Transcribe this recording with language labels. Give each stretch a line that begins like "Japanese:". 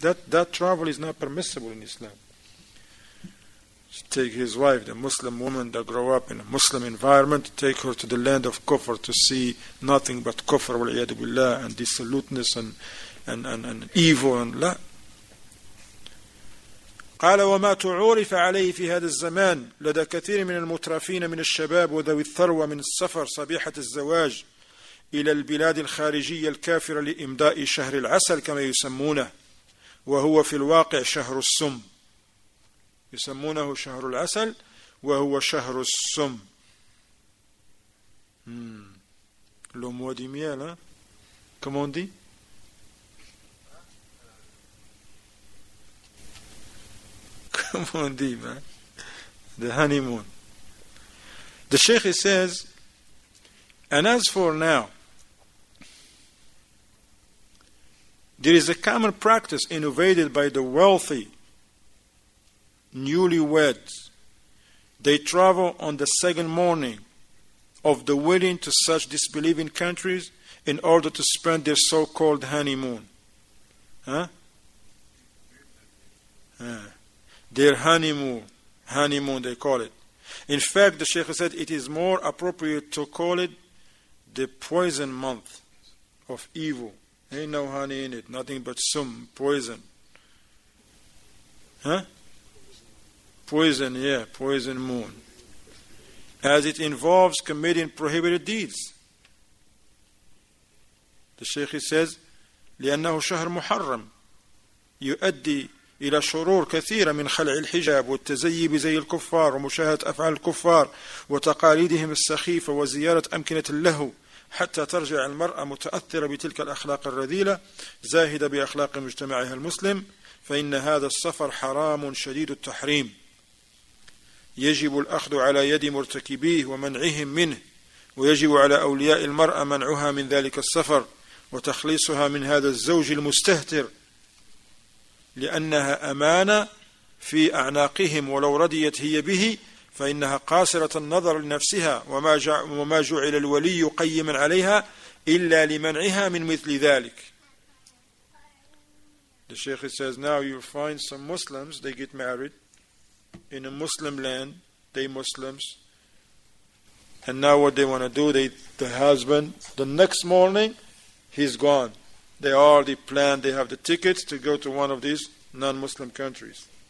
English: That travel is not permissible in Islam. To take his wife, the Muslim woman that grew up in a Muslim environment, take her to the land of kufr to see nothing but kufr, wal-iyadu billah, and dissoluteness and evil and la.
Arabic: قال وما تعرف عليه في هذا الزمان لدى كثير من المترفين من الشباب وذوي الثروة من السفر صبيحة الزواج إلى البلاد الخارجية الكافرة لإمضاء شهر العسل كما يسمونه وهو في الواقع شهر السم. يسمونه شهر العسل وهو شهر السم. لو مودي ميالا كمون دي كمون دي ما
English: the honeymoon. The Sheikh says, and as for now, there is a common practice innovated by the wealthy newlyweds. They travel on the second morning of the wedding to such disbelieving countries in order to spend their so-called honeymoon. Their honeymoon they call it. In fact, the Sheikh said it is more appropriate to call it the poison month of evil. Ain't no honey in it, nothing but some poison. Poison moon. As it involves committing prohibited deeds. The Sheikh says,
Arabic: لأنه شهر محرم. يؤدي إلى شرور كثيرة من خلع الحجاب والتزيي بزي الكفار ومشاهدة أفعال الكفار وتقاليدهم السخيفة وزيارة أمكنة اللهو حتى ترجع المرأة متأثرة بتلك الأخلاق الرذيلة زاهدة بأخلاق مجتمعها المسلم، فإن هذا السفر حرام شديد التحريم، يجب الأخذ على يد مرتكبيه ومنعهم منه، ويجب على أولياء المرأة منعها من ذلك السفر وتخليصها من هذا الزوج المستهتر، لأنها أمانة في أعناقهم، ولو رضيت هي به فإنها قاصرة النظر لنفسها، وما جعل الولي قيما عليها إلا لمنعها من مثل ذلك.
English: The Sheikh says, now you find some Muslims, they get married in a Muslim land, they Muslims, and now what they want to do, the husband, the next morning, he's gone. They already planned, they have the tickets to go to one of these non-Muslim countries.